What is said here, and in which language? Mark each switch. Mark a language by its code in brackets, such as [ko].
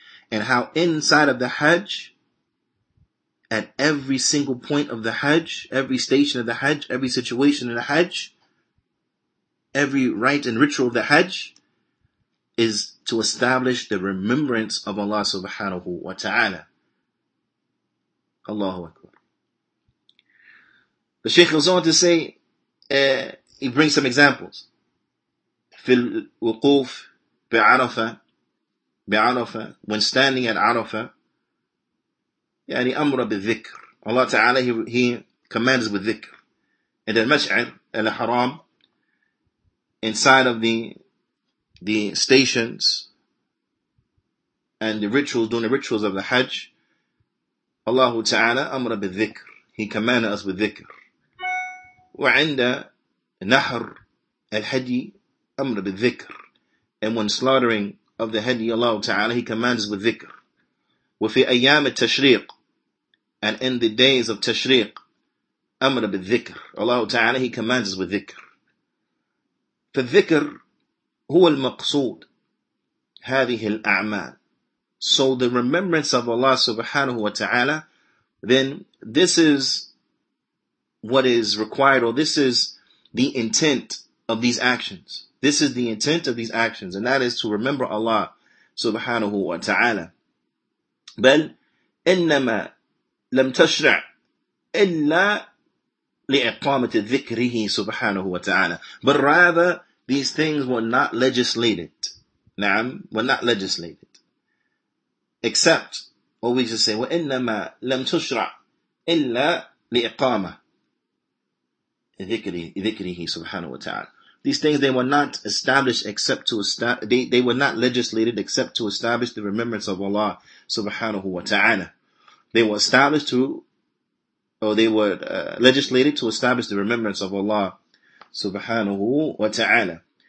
[en] And how inside of the Hajj, at every single point of the Hajj, every station of the Hajj, every situation in the Hajj, every rite and ritual of the Hajj, is to establish the remembrance of Allah subhanahu wa ta'ala. Allahu Akbar. The Shaykh goes on to say, he brings some examples. [ar] في الوقوف بعرفة, بعرفة, [en] when standing at Arafah, [ar] يعني أمر بالذكر. [en] Allah Ta'ala, he commands with ذكر. And then مشعر الحرام, inside of the stations and the rituals, doing the rituals of the Hajj, Allah Ta'ala [ar] أمر بالذكر. [en] He commanded us with ذكر. [ar] وعند نحر الحدي أمر بالذكر. [en] And when slaughtering of the Hadi, Allah Ta'ala, he commands with dhikr. [ar] وفي أيام التشريق, [en] and in the days of [ar] تشريق, أمر بالذكر. [en] Allah Ta'ala, he commands with dhikr. [ar] فالذكر هو المقصود هذه الأعمال. [en] So the remembrance of Allah Subhanahu wa Ta'ala, then this is what is required, or this is the intent of these actions. This is the intent of these actions, and that is to remember Allah subhanahu wa ta'ala. [ar] بل إنما لم تشرع إلا لإقامة ذكره سبحانه وتعالى. [en] But rather, these things were not legislated. نعم, were not legislated. Except, what we just say, [ar] وإنما لم تشرع إلا لإقامة ذكره سبحانه وتعالى. [en] These things, they were not established except to they were not legislated except to establish the remembrance of Allah subhanahu wa ta'ala. They were established legislated to establish the remembrance of Allah subhanahu wa ta'ala.